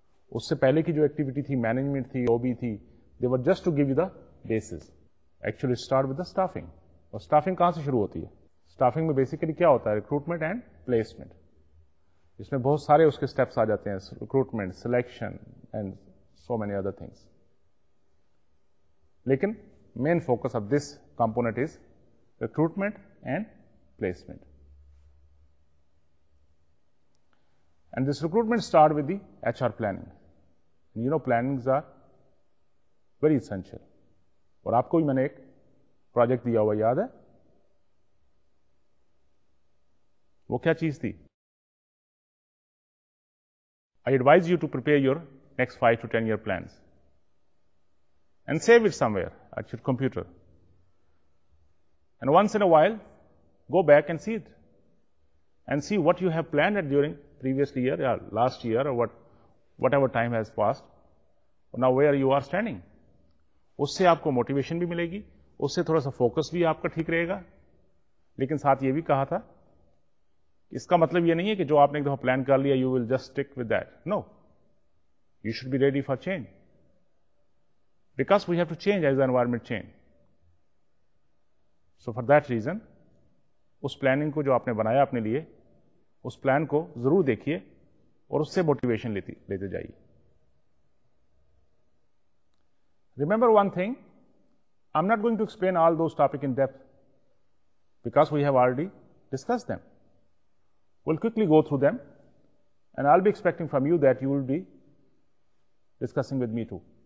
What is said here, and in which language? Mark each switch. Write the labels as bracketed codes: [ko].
[ur] اس سے پہلے کی جو ایکٹیویٹی تھی, مینجمنٹ تھی, او بی تھی, [en] They were just to give you the bases. Actually start with the staffing. [ur] اور اسٹافنگ کہاں سے شروع ہوتی ہے؟ اسٹافنگ میں بیسیکلی کیا ہوتا ہے؟ [en] Recruitment and placement. [ur] اس میں بہت سارے اس کے اسٹیپس آ جاتے ہیں, recruitment, [en] Selection and so many other things. لیکن main focus of this component is recruitment and placement. And this recruitment start with the HR planning. And you know, plannings are very essential. [ur] اور آپ کو بھی میں نے ایک project دیا ہوا یاد ہے, وہ کیا چیز تھی؟ [en] I advise you to prepare your next 5 to 10 year plans and save it somewhere at your computer. And once in a while, go back and see it and see what you have planned at during previously year, or last year, or whatever time has passed. Now, where you are standing? [ur] اس سے آپ کو motivation بھی ملے گی, اس سے تھوڑا سا focus بھی آپ کا ٹھیک رہے گا. لیکن ساتھ یہ بھی کہا تھا, اس کا مطلب یہ نہیں ہے کہ جو آپ نے ایک دفعہ پلان کر لیا [en] You will just stick with that. No, you should be ready for change, because we have to change as the environment change. So for that reason, [ur] اس planning کو جو آپ نے بنایا اپنے لیے, اس پلان کو ضرور دیکھیے اور اس سے موٹیویشن لیتے جائیے. [en] Remember one thing, I'm not going to explain all those topics in depth because we have already discussed them. We'll quickly go through them and I'll be expecting from you that you will be discussing with me too.